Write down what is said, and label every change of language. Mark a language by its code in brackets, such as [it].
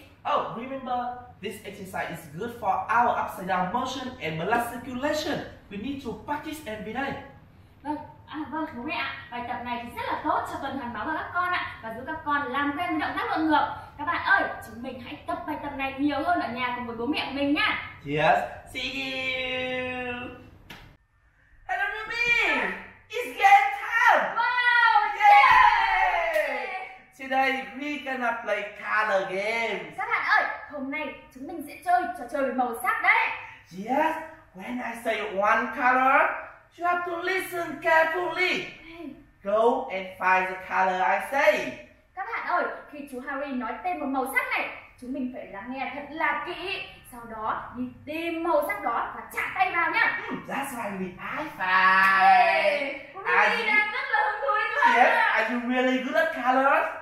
[en] Oh, remember, this exercise is good for our upside down motion and muscle circulation. We need to practice every day. [vi] Vâng, bố mẹ ạ, bài tập này thì rất là tốt cho tuần hoàn báo của các con ạ và giúp các con làm quen với động tác lộn ngược. Các bạn ơi, chúng mình hãy tập bài tập này nhiều hơn ở nhà cùng với bố mẹ của mình nha. [en] Yes, see you. Hello, Ruby. It's game time. Wow, yeah. Today we gonna play color game. [vi] Các bạn ơi, hôm nay chúng mình sẽ chơi trò chơi màu sắc đấy. [en] Yes, when I say one color, you have to listen carefully. Go and find the color I say. [vi] Các bạn ơi, khi chú Harry nói tên một màu sắc này, chúng mình phải lắng nghe thật là kỹ. Sau đó đi tìm màu sắc đó và chạm tay vào nhá. [en] That's why we high five. [vi] Hey, Ruby đang rất là hứng thú với chú. [en] Yes, are you really good at colors?